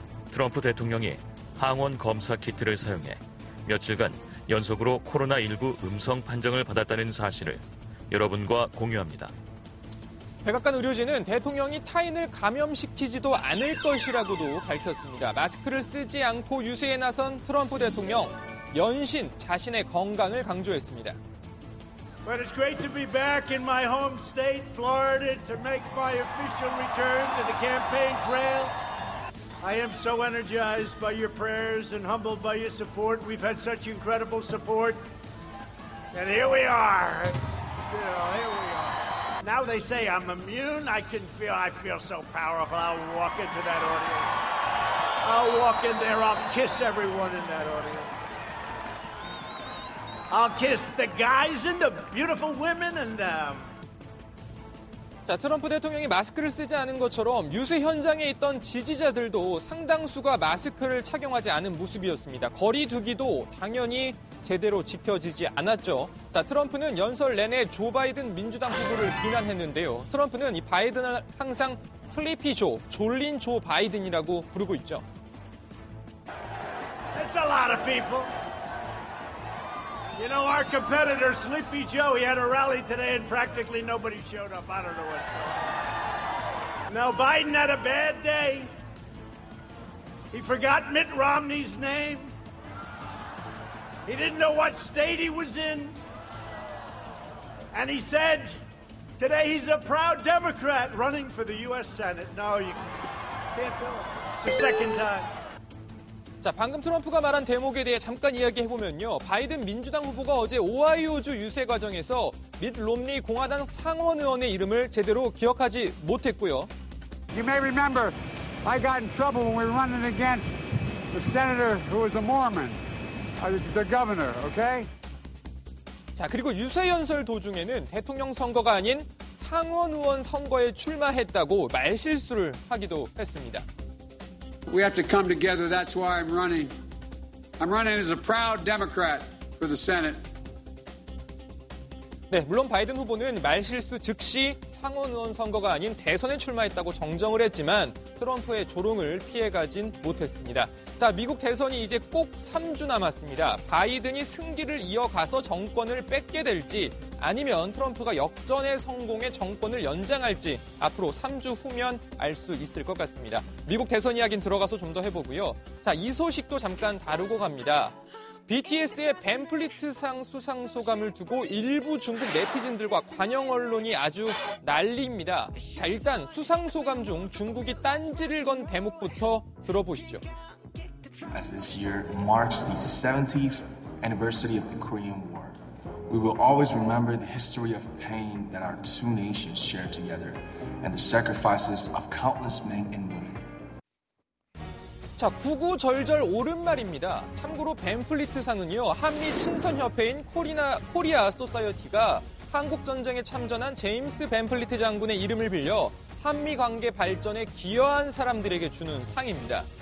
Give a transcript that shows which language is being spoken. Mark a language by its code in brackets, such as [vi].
[ko] 트럼프 대통령이 항원 검사 키트를 사용해 며칠간 연속으로 코로나19 음성 판정을 받았다는 사실을 여러분과 공유합니다. 백악관 의료진은 대통령이 타인을 감염시키지도 않을 것이라고도 밝혔습니다. 마스크를 쓰지 않고 유세에 나선 트럼프 대통령, 연신 자신의 건강을 강조했습니다. [en] But it's great to be back in my home state, Florida, to make my official return to the campaign trail. I am so energized by your prayers and humbled by your support. We've had such incredible support. And here we are. Now they say I'm immune. I feel so powerful. I'll walk into that audience. I'll walk in there. I'll kiss everyone in that audience. I'll kiss the guys and the beautiful women and them. [ko] 자, 트럼프 대통령이 마스크를 쓰지 않은 것처럼 유세 현장에 있던 지지자들도 상당수가 마스크를 착용하지 않은 모습이었습니다. 거리 두기도 당연히 제대로 지켜지지 않았죠. 자, 트럼프는 연설 내내 조 바이든 민주당 후보를 비난했는데요. 트럼프는 이 바이든을 항상 슬리피 조, 졸린 조 바이든이라고 부르고 있죠. [en] It's a lot of people. You know, our competitor, Sleepy Joe, he had a rally today and practically nobody showed up. I don't know what's going on. No, Biden had a bad day. He forgot Mitt Romney's name. He didn't know what state he was in. And he said, today he's a proud Democrat running for the U.S. Senate. No, you can't tell him. It's a second time. [ko] 자, 방금 트럼프가 말한 대목에 대해 잠깐 이야기해보면요. 바이든 민주당 후보가 어제 오하이오주 유세 과정에서 밋 롬니 공화당 상원 의원의 이름을 제대로 기억하지 못했고요. [en] You may remember I got in trouble when we were running against the senator who was a Mormon. The governor, okay? [ko] 자, 그리고 유세 연설 도중에는 대통령 선거가 아닌 상원 의원 선거에 출마했다고 말실수를 하기도 했습니다. [en] We have to come together. That's why I'm running. I'm running as a proud Democrat for the Senate. [ko] 네, 물론 바이든 후보는 말실수 즉시 상원 의원 선거가 아닌 대선에 출마했다고 정정을 했지만 트럼프의 조롱을 피해가진 못했습니다. 자, 미국 대선이 이제 꼭 3주 남았습니다. 바이든이 승기를 이어가서 정권을 뺏게 될지 아니면 트럼프가 역전의 성공에 정권을 연장할지 앞으로 3주 후면 알 수 있을 것 같습니다. 미국 대선 이야기는 들어가서 좀 더 해보고요. 자, 이 소식도 잠깐 다루고 갑니다. BTS의 밴플리트상 수상 소감을 두고 일부 중국 네티즌들과 관영 언론이 아주 난리입니다. 자, 일단 수상 소감 중 중국이 딴지를 건 대목부터 들어보시죠. [en] As this year marks the 70th anniversary of the Korean War, we will always remember the history of pain that our two nations share together and the sacrifices of countless men and women. [ko] 자, 구구절절 옳은 말입니다. 참고로 밴플리트상은요, 한미 친선협회인 코리아 소사이어티가 한국전쟁에 참전한 제임스 밴플리트 장군의 이름을 빌려 한미 관계 발전에 기여한 사람들에게 주는 상입니다.